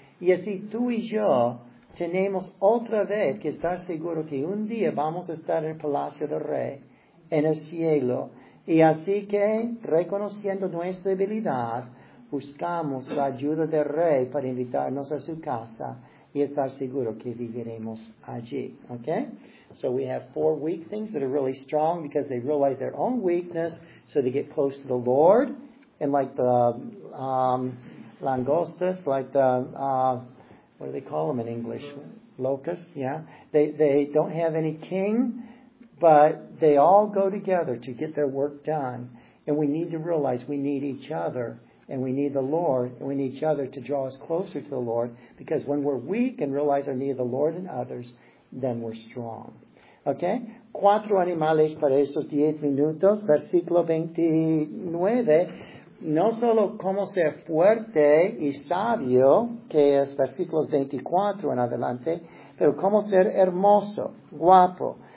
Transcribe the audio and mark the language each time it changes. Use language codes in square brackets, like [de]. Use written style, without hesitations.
[es] Y así tú y yo tenemos otra vez que estar seguro que un día vamos a estar en el palacio del rey, en el cielo. Y así que, reconociendo nuestra debilidad, buscamos la ayuda del rey para invitarnos a su casa y estar seguro que viviremos allí. [en] Okay? So we have four weak things that are really strong because they realize their own weakness, so they get close to the Lord. And like the langostas, like the... what do they call them in English? Locusts, yeah. They don't have any king, but they all go together to get their work done. And we need to realize we need each other, and we need the Lord, and we need each other to draw us closer to the Lord, because when we're weak and realize our need of the Lord and others, then we're strong. Okay? [es] Cuatro animales para esos diez minutos. Versículo 29. No solo cómo ser fuerte y sabio, que es versículos 24 en adelante, pero cómo ser hermoso, guapo.